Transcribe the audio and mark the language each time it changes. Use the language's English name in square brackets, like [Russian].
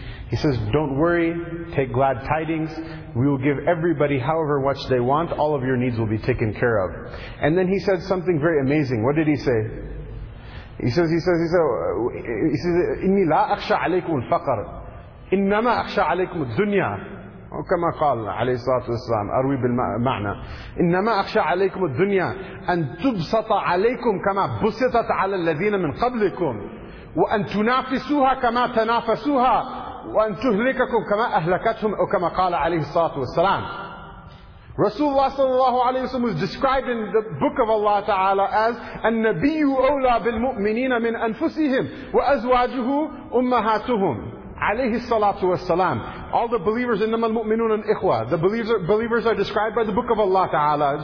[English] He says, "Don't worry, take glad tidings. We will give everybody however much they want. All of your needs will be taken care of." And then he said something very amazing. What did he say? He says, [Arabic] "Inni la akhsha alaykum al-faqr. Innama akhsha alaykum ad-dunya." Or كما قال عليه الصلاة والسلام أروي بالمعنى إنما أخشى عليكم الدنيا أن تبسط عليكم كما بسطت على الذين من قبلكم وأن تنافسوها كما تنافسوها وأن تهلككم كما أهلكتهم أو كما قال عليه الصلاة والسلام. [English] Rasulullah sallallahu alayhi wa sallam was described in the book of Allah Ta'ala as [Arabic] النبي أولى بالمؤمنين من أنفسهم وأزواجه أمهاتهم عليه الصلاة والسلام. [English] All the believers, [Arabic] innama al-mu'minun [English] and ikhwa. The believers are described by the book of Allah Ta'ala.